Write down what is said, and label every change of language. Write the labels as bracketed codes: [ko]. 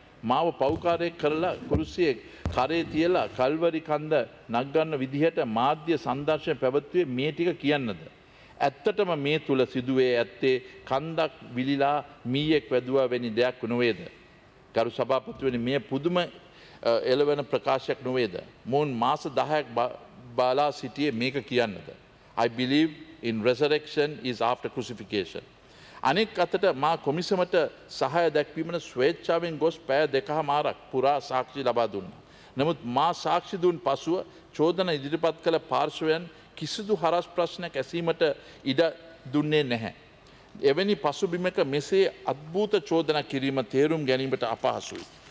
[si] මාව පෞකාරයක් කරලා කුරුසියේ කරේ තියලා කල්වරි කන්ද නගන්න විදිහට මාධ්‍ය සංදර්ශන පැවැත්වුවේ මේ ටික කියන්නද? ඇත්තටම මේ තුල සිදුවේ ඇත්තේ කන්දක් විලිලා මීයක් වැදුවා වැනි දෙයක් නොවේද? ගරු සභාපතිවරනි, මේ පුදුම එළවෙන ප්‍රකාශයක් නොවේද? මොවුන් මාස 10ක් බලා සිටියේ මේක කියන්නද? [en] I believe in resurrection is after crucifixion. [si] අනෙක් අතට මා කොමිසමට සහාය දැක්වීමන ස්වේච්ඡාවෙන් ගොස් පැය දෙකහමාරක් පුරා සාක්ෂි ලබා දුන්නා. නමුත් මා සාක්ෂි දුන් පසුව චෝදන ඉදිරිපත් කළ පාර්ශ්වයන් කිසිදු හරස් ප්‍රශ්නයක් ඇසීමට ඉඩ දුන්නේ නැහැ. එවැනි පසුබිමක මෙසේ අද්භූත චෝදන කිරීම තේරුම් ගැනීමට අපහසුයි.